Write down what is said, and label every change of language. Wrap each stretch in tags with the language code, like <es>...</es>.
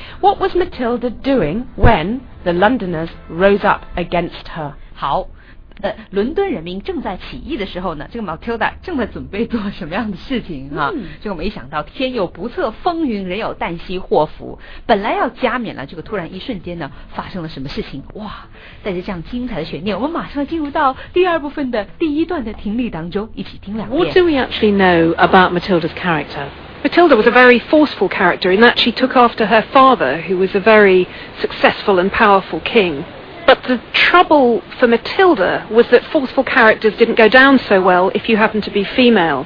<en>What was Matilda doing when the Londoners rose up against her?</en> <zh>好，伦敦人民正在起义的时候呢，这个 Matilda 正在准备做什么样的事情哈、啊？这、个没想到天有不测风云，人有旦夕祸福。本来要加冕了，这个突然一瞬间呢，发生了什么事情？哇！带着这样精彩的悬念，我们马上进入到第二部分的第一段的听力当中，一起听两遍。</zh> <en>What do we actually know about Matilda's character? Matilda was a very forceful character in that she took after her father, who was a very successful and powerful king. But the trouble for Matilda was that forceful characters didn't go down so well if you happen to be female.</en>